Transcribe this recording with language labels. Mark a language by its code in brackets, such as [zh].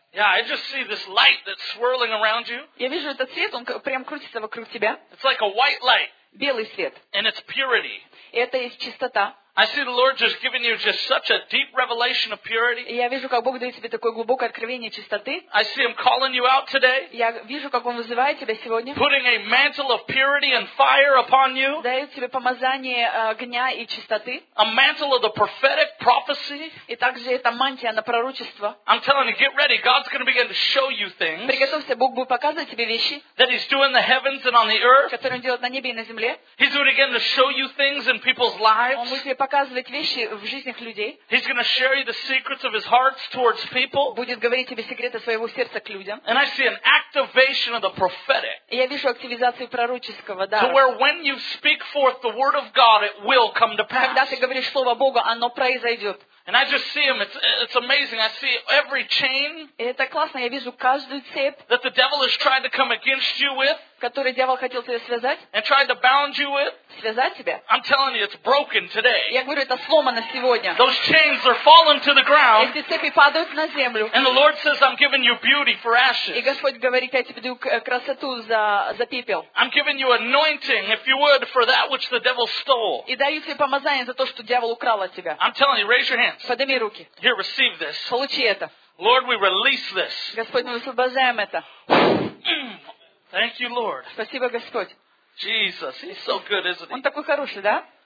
[en] Yeah, I just see this light that's swirling around you. [ru] Я вижу этот свет, он прям крутится вокруг тебя. [en] It's like a white light. [ru] Белый свет. [en] And it's purity. [ru] И это есть чистота. [en] I see the Lord just giving you just such a deep revelation of purity. [ru] Я вижу, как Бог дает тебе такое глубокое откровение чистоты. [en] I see Him calling you out today. [ru] Я вижу, как Он вызывает тебя сегодня. [en] Putting a mantle of purity and fire upon you. [ru] Дает тебе помазание огня и чистоты. [en] A mantle of the prophetic prophecy. [ru] И также это мантия на пророчество. [en] I'm telling you, get ready. God's going to begin to show you things. [ru] Приготовься, Бог будет показывать тебе вещи. [en] That He's doing in the heavens and on the earth. [ru] Которые Он делает на небе и на земле. [en] He's going to begin to show you things in people's lives. [ru] Показывать вещи в жизнях людей. [en] He's going to share you the secrets of His heart towards people. [ru] Будет говорить тебе секреты своего сердца к людям. [en] And I see an activation of the prophetic. [ru] Я вижу активизацию пророческого дара. [en] To where when you speak forth the word of God, it will come to pass. [ru] Когда ты говоришь слово Бога, оно произойдет. [en] And I just see him. It's amazing. I see every chain. [ru] Это классно. Я вижу каждую цепь. [en] That the devil is trying to come against you with. [ru] Который дьявол хотел тебя связать. [en] And tried to bound you with. [ru] Связать тебя. [en] I'm telling you, it's broken today. [ru] Я говорю, это сломано сегодня. [en] Those chains are falling to the ground. [ru] Эти цепи падают на землю. [en] And the Lord says, I'm giving you beauty for ashes. [ru] И Господь говорит, я тебе даю красоту за пепел. [en] I'm giving you anointing, if you would, for that which the devil stole. [ru] И даю тебе помазание за то, что дьявол украл от тебя. [en] I'm telling you, raise your hands. [ru] Подними руки. [en] Here, receive this. [ru] Получи это. [en] Lord, we release this. [ru] Господь, мы высвобождаем это. [en] Thank you, Lord. [ru] Спасибо, Господь. [en] Jesus, He's so good, isn't He? [ru] Он такой хороший, да?